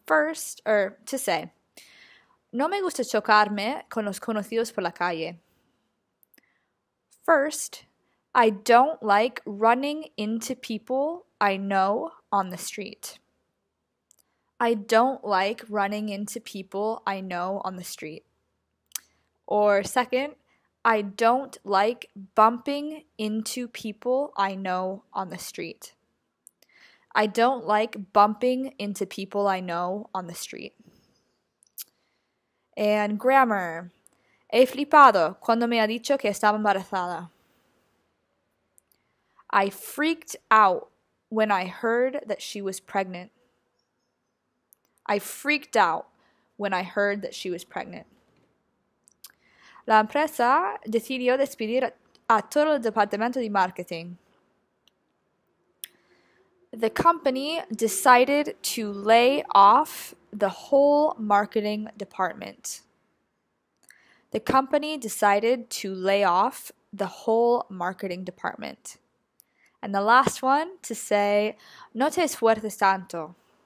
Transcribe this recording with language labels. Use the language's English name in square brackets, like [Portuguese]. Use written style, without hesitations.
[English] First, to say, [Spanish] no me gusta chocarme con los conocidos por la calle. [English] First, I don't like running into people I know on the street. I don't like running into people I know on the street. Or second, I don't like bumping into people I know on the street. I don't like bumping into people I know on the street. And grammar. [Spanish] He flipado cuando me ha dicho que estaba embarazada. [English] I freaked out when I heard that she was pregnant. I freaked out when I heard that she was pregnant. [Spanish] La empresa decidió despedir a todo el departamento de marketing. [English] The company decided to lay off the whole marketing department. The company decided to lay off the whole marketing department. And the last one to say, [Spanish] no te esfuerces tanto.